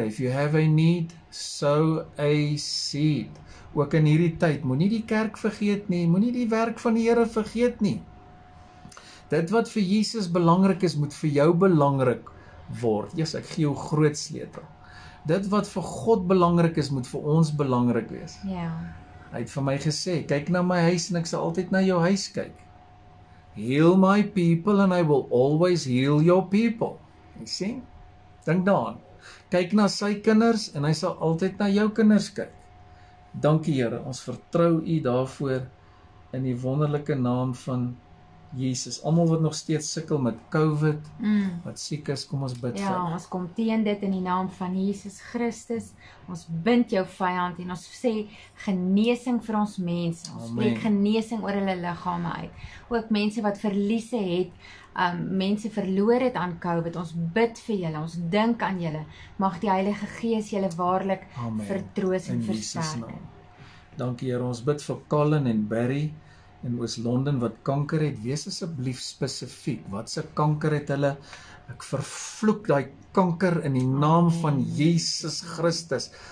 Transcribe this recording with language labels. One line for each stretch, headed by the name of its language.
English: If you have a need, sow a seed.
Afrikaans: Ook in hierdie tyd, moenie die kerk vergeet nie, moenie die werk van die Here vergeet nie. Dit wat vir Jesus belangrik is, moet vir jou belangrik word. Jesus, ek gee jou groot sleutel. Dit wat vir God belangrik is, moet vir ons belangrik wees.
English: Yeah.
Afrikaans: Hy het vir my gesê, kyk na my huis en ek sal altyd na jou huis kyk.
English: Heal my people and I will always heal your people. You see?
Afrikaans: Dink daaraan. Kyk na sy kinders en hy sal altyd na jou kinders kyk. Dankie Here, ons vertrou u daarvoor in die wonderlike naam van Jesus, almal wat nog steeds sukkel met COVID, wat siek is, kom ons bid vir. Ja, ons kom teen dit in die naam van Jesus Christus. Ons bind jou vyand en ons sê genesing vir ons mense. Ons spreek genesing oor hulle liggame uit. Ook mense wat verliese het, mense verloor het aan COVID. Ons bid vir julle, ons dink aan julle. Mag die Heilige Gees julle waarlik vertroos en versterk. Dankie Here, ons bid vir Colin en Barry. En was Londen wat kanker het, wees asseblief spesifiek. Wat se kanker het hulle? Ek vervloek daai kanker in die naam van Jesus Christus.